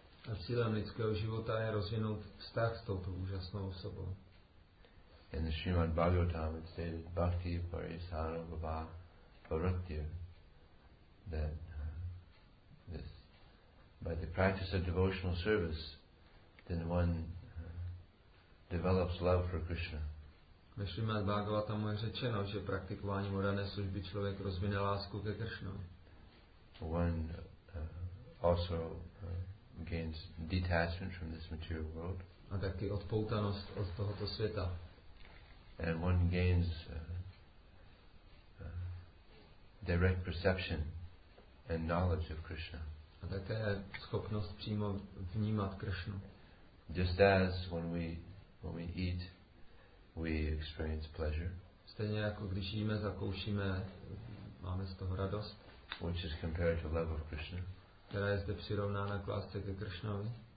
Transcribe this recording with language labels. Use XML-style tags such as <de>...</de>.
<cs>A cílem lidského života je rozvinout vztah s touto úžasnou osobou.</cs> <en>In the Srimad Bhagavatam it stated Bhakti Parisana Baba Bharatya, that this by the practice of devotional service, then one develops love for Krishna.</en> <cs>Ve Srimad Bhagavatam je řečeno, že praktikování modlené služby člověk rozvine lásku ke Krishna.</cs> <en>One also gains detachment from this material world.</en> <cs>A taky odpoutanost od tohoto světa.</cs> <en>And one gains direct perception and knowledge of Krishna.</en> <cs>A také schopnost přímo vnímat Krishnu.</cs> <en>Just as when we eat, we experience pleasure.</en> <cs>Stejně jako když jíme, zakoušíme, máme z toho radost.</cs> <en>Which is compared to love of Krishna.</en> <cs>Která je zde přirovnána k lásce ke Krishnovi.</cs>